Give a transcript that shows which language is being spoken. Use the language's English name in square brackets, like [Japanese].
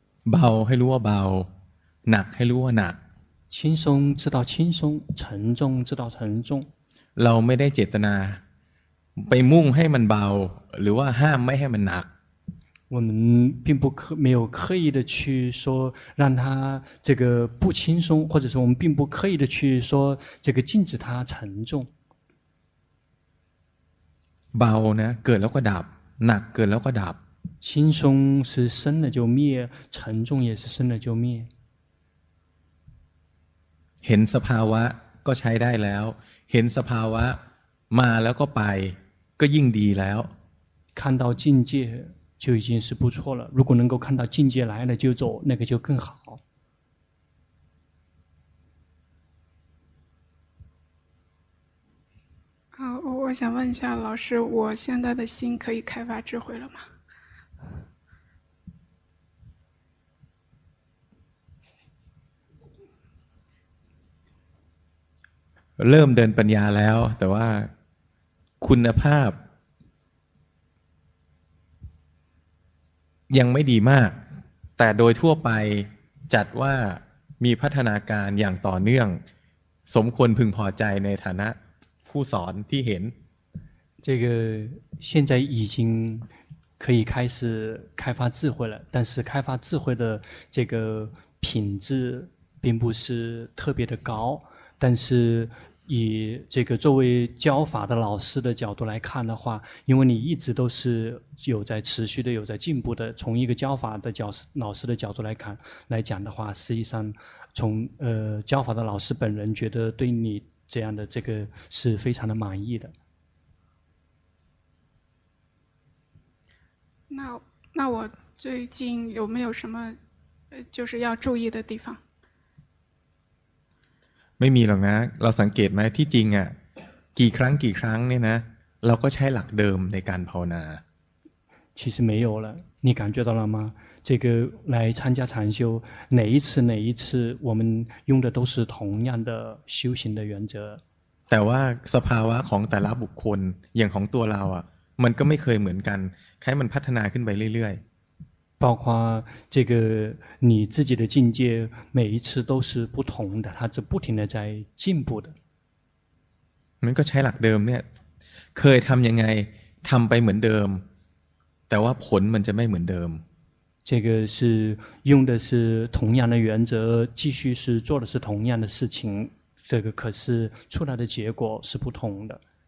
[Thai] เบาให้รู้ว่าเบาหนักให้รู้ว่าหนัก [Chinese] 轻松知道轻松沉重知道沉重 [Thai] เราไม่ได้เจตนาไปมุ่งให้มันเบาหรือว่าห้ามไม่ให้มันหนัก [Chinese] 我们并不没有刻意的去说让他这个不轻松，或者是我们并不刻意的去说这个禁止他沉重。 [Thai] เบานะเกิดแล้วก็ดับหนักเกิดแล้วก็ดับ [Chinese] 轻松是生了就灭，沉重也是生了就灭。 [Thai] เห็นสภาวะก็ใช้ได้แล้วเห็นสภาวะมาแล้วก็ไปก็ยิ่งดีแล้ว [Chinese] 看到境界就已经是不错了如果能够看到境界来了就走那个就更好好我想问一下老师我现在的心可以开发智慧了吗 [Thai] เริ่มเดินปัญญาแล้วแต่ว่าคุณภาพยังไม่ดีมากแต่โดยทั่วไปจัดว่ามีพัฒนาการอย่างต่อเนื่องสมควรพึงพอใจในฐานะผู้สอนที่เห็น [Chinese] 这个现在已经可以开始开发智慧了但是开发智慧的这个品质并不是特别的高但是以这个作为教法的老师的角度来看的话因为你一直都是有在持续的有在进步的从一个教法的教老师的角度来看来讲的话实际上从教法的老师本人觉得对你这样的这个是非常的满意的那我最近有没有什么就是要注意的地方 [Thai] ไม่มีหรอกนะเราสังเกตไหมที่จริงอ่ะกี่ครั้งกี่ครั้งเนี่ยนะเราก็ใช้หลักเดิมในการภาวนา [Chinese] 其实没有了你感觉到了吗这个来参加禅修哪一次哪一次我们用的都是同样的修行的原则 [Thai] แต่ว่าสภาวะของแต่ละบุคคลอย่างของตัวเราอ่ะมันก็ไม่เคยเหมือนกันให้มันพัฒนาขึ้นไปเรื่อย [Chinese] 包括这个你自己的境界每一次都是不同的它是不停的在进步的 [Thai] มันก็ใช้หลักเดิมเนี่ยเคยทำยังไงทำไปเหมือนเดิมแต่ว่าผลมันจะไม่เหมือนเดิม [Chinese] 这个是用的是同样的原则继续是做的是同样的事情这个可是出来的结果是不同的